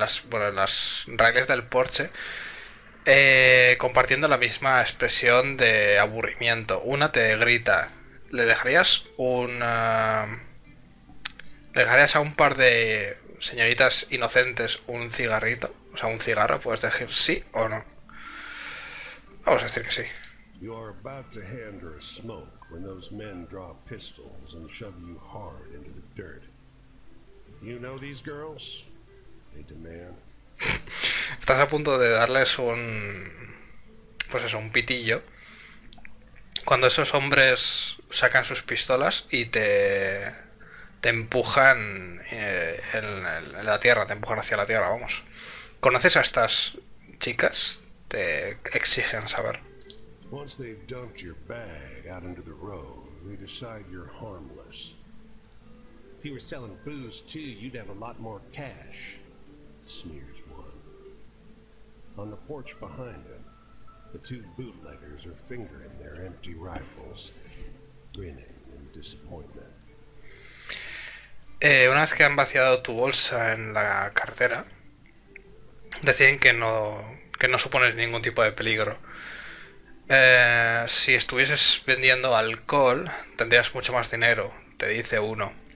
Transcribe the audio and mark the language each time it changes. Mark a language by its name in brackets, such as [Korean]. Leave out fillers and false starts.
[Spanish] Bueno, las raíles del porche, compartiendo la misma expresión de aburrimiento. Una te grita: ¿le dejarías le dejarías a un par de señoritas inocentes un cigarrito? O sea, un cigarro, puedes decir sí o no. Vamos a decir que sí. [English] You are about to hand her a smoke when those men draw pistols and shove you hard into the dirt. You know these girls? They demand. [Spanish] Estás a punto de darles pues eso, un pitillo, cuando esos hombres sacan sus pistolas y te empujan en la tierra, te empujan hacia la tierra, vamos. ¿Conoces a estas chicas? Te exigen saber. [English] Once they've dumped your bag out into the road, they decide you're harmless. If you were selling booze too, you'd have a lot more cash, sneers one. On the porch behind them, the two bootleggers are fingering their empty rifles, grinning in disappointment. [Spanish] Una vez que han vaciado tu bolsa en la cartera, deciden que no supones ningún tipo de peligro. Si estuvieses vendiendo alcohol, tendrías mucho más dinero, te dice uno.